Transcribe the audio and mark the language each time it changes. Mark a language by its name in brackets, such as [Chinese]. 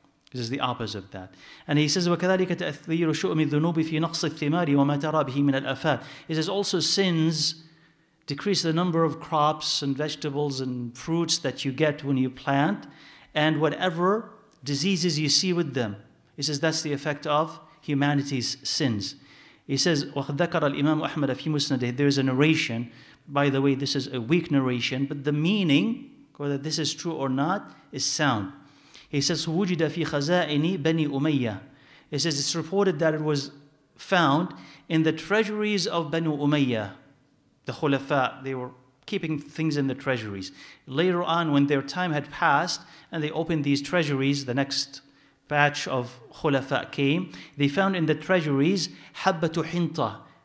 [English] This is the opposite of that. And he says, [Arabic] وَكَذَلِكَ تَأْثِيرُ شُؤْمِ الذُّنُوبِ فِي نَقْصِ الثِّمَارِ وَمَا تَرَى بِهِ مِنَ الْأَفَاتِ. [English] He says, also sins decrease the number of crops and vegetables and fruits that you get when you plant, and whatever diseases you see with them. He says, that's the effect of humanity's sins. He says, [Arabic] وَخَذَّكَرَ الْإِمَامُ أَحْمَدَ فِي مُسْنَدِهِ. [English] There is a narration. By the way, this is a weak narration, but the meaning, whether this is true or not, is sound. He says, [Arabic] وُجِدَ فِي خَزَائِنِ بَنِي أُمَيَّةِ. [English] He says, it's reported that it was found in the treasuries of Banu Umayyah. The Khulafa, they were keeping things in the treasuries. Later on, when their time had passed, and they opened these treasuries, the next batch of Khulafa came, they found in the treasuries, [Arabic] حَبَّةُ حِنْطَ.